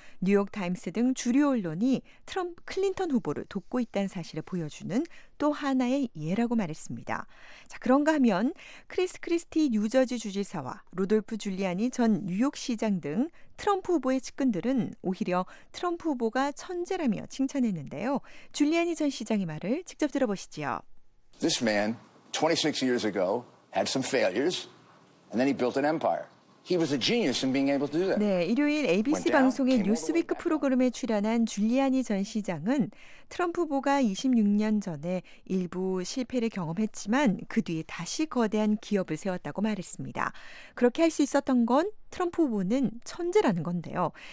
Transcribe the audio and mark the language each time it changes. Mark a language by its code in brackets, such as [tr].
[ko] 뉴욕타임스 등 주류 언론이 트럼프 클린턴 후보를 돕고 있다는 사실을 보여주는 또 하나의 예라고 말했습니다. 자, 그런가 하면 크리스 크리스티 뉴저지 주지사와 루돌프 줄리아니 전 뉴욕시장 등 트럼프 후보의 측근들은 오히려 트럼프 후보가 천재라며 칭찬했는데요. 줄리아니 전 시장의 말을 직접 들어보시지요. [en] This man, 26 years ago, had some failures, and then he built an empire. He was a genius in being able to do that. [ko] 네, 일요일 ABC 방송의 뉴스위크 프로그램에 출연한 줄리아니 전 시장은 트럼프 후보가 26년 전에 일부 실패를 경험했지만 그 뒤에 다시 거대한 기업을 세웠다고 말했습니다. 그렇게 할 수 있었던 건 트럼프 후보는 천재라는 건데요.